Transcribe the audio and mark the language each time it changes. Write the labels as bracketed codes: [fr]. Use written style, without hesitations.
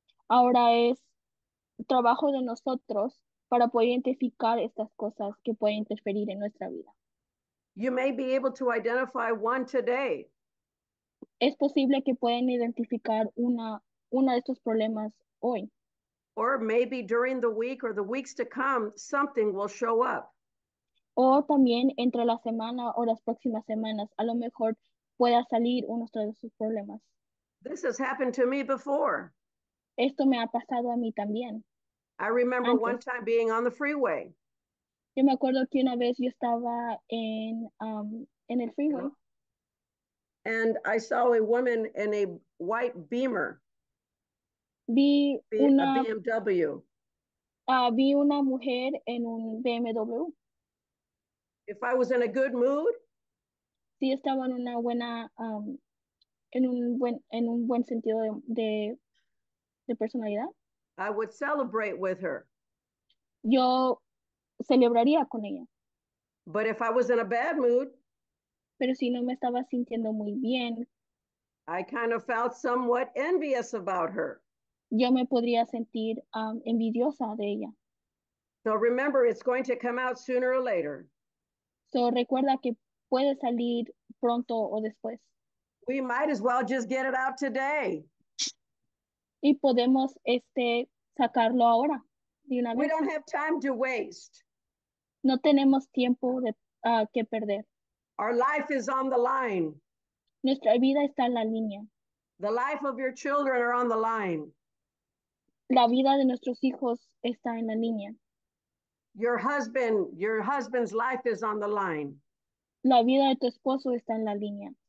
[es] Ahora es trabajo de nosotros para poder identificar estas cosas que pueden interferir en nuestra vida. [en] You may be able to identify one today. [es] Es posible que puedan identificar una de estos problemas hoy. [en] Or maybe during the week or the weeks to come, something will show up. [es] O también entre la semana o las próximas semanas, a lo mejor pueda salir uno de sus problemas. [en] This has happened to me before. [es] Esto me ha pasado a mí también. [en] I remember [es] Antes. [en] One time being on the freeway. [es] Yo me acuerdo que una vez yo estaba en el freeway. [en] And I saw a woman in a white Beamer. [es] Vi [en] A BMW. [es] Vi una mujer en un BMW. [en] If I was in a good mood, [es] sí, estaba en una buena, en un buen sentido de personalidad. [en] I would celebrate with her. [es] Yo celebraría con ella. [en] But if I was in a bad mood, [es] pero si no me estaba sintiendo muy bien, [en] I kind of felt somewhat envious about her. [es] Yo me podría sentir envidiosa de ella. [en] So remember, it's going to come out sooner or later. [es] So recuerda que puede salir pronto o después. [en] We might as well just get it out today. [es] Y podemos sacarlo ahora de una [en] we [es] vez. [en] We don't have time to waste. [es] No tenemos tiempo de que perder. [en] Our life is on the line. [es] Nuestra vida está en la línea. [en] The life of your children are on the line. [es] La vida de nuestros hijos está en la línea. [en] Your husband's life is on the line. [es] La vida de tu esposo está en la línea.